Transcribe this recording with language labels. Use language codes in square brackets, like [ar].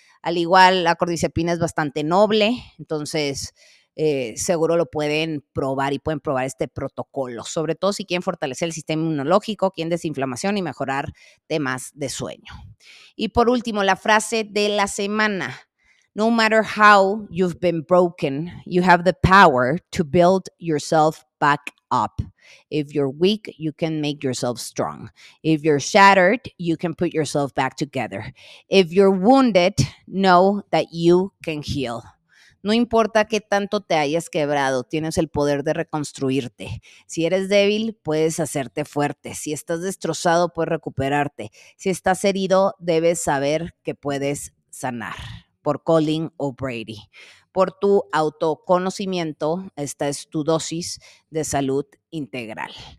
[es] Al igual, la cordicepina es bastante noble, entonces seguro lo pueden probar y pueden probar este protocolo, sobre todo si quieren fortalecer el sistema inmunológico, quieren desinflamación y mejorar temas de sueño. Y por último, la frase de la semana. [en] No matter how you've been broken, you have the power to build yourself back up. If you're weak, you can make yourself strong. If you're shattered, you can put yourself back together. If you're wounded, know that you can heal. [es] No importa qué tanto te hayas quebrado, tienes el poder de reconstruirte. Si eres débil, puedes hacerte fuerte. Si estás destrozado, puedes recuperarte. Si estás herido, debes saber que puedes sanar. Por Colleen O'Brady. Por tu autoconocimiento, esta es tu dosis de salud integral.